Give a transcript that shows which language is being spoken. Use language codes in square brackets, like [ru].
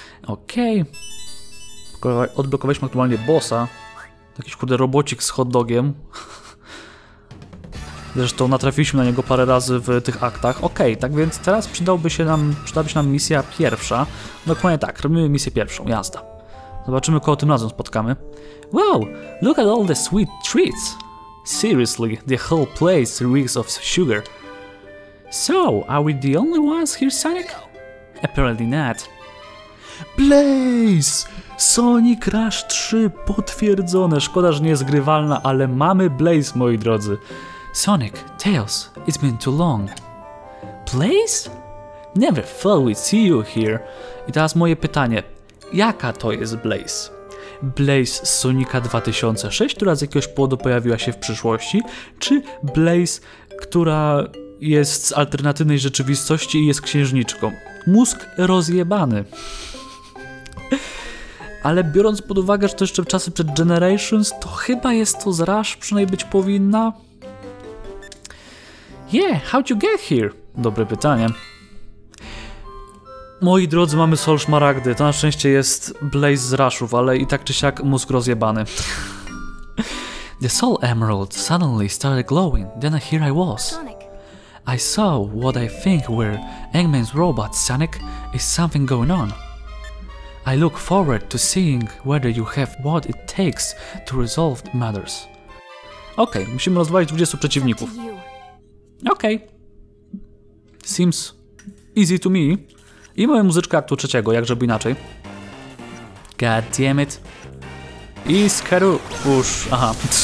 [pl] Okej, okay. Odblokowaliśmy aktualnie bossa. Jakiś kurde robocik z hot dogiem. Zresztą natrafiliśmy na niego parę razy w tych aktach. Okej, okay, tak więc teraz przydałaby się nam misja pierwsza. Dokładnie tak, robimy misję pierwszą, jazda. Zobaczymy, kogo tym razem spotkamy. [en] Wow, look at all the sweet treats. Seriously, the whole place reeks of sugar. So, are we the only ones here, Sonic? Apparently not. Blaze! [pl] Sonic Rush 3 potwierdzone. Szkoda, że nie jest grywalna, ale mamy Blaze, moi drodzy. [en] Sonic, Tails, it's been too long. Blaze? Never thought we'd see you here. [pl] I teraz moje pytanie. Jaka to jest Blaze? Blaze z Sonica 2006, która z jakiegoś powodu pojawiła się w przyszłości? Czy Blaze, która jest z alternatywnej rzeczywistości i jest księżniczką? Mózg rozjebany. Ale biorąc pod uwagę, że to jeszcze czasy przed Generations, to chyba jest to z Rush, przynajmniej być powinna. [en] Yeah, how'd you get here? [pl] Dobre pytanie. Moi drodzy, mamy Sol Szmaragdy. To na szczęście jest Blaze z Rushów, ale i tak czy siak mózg rozjebany. [en] The Sol Emerald suddenly started glowing, then here I was. Sonic. I saw what I think were Eggman's robots, Sonic. Is something going on? I look forward to seeing whether you have what it takes to resolve the matters. [pl] Okej, okay, musimy rozwalić 20 przeciwników. Okej. Okay. [en] Seems easy to me. [pl] I mamy muzyczkę aktu trzeciego, jakżeby inaczej. [en] God damn it. [pl] I skaru... Uż, aha.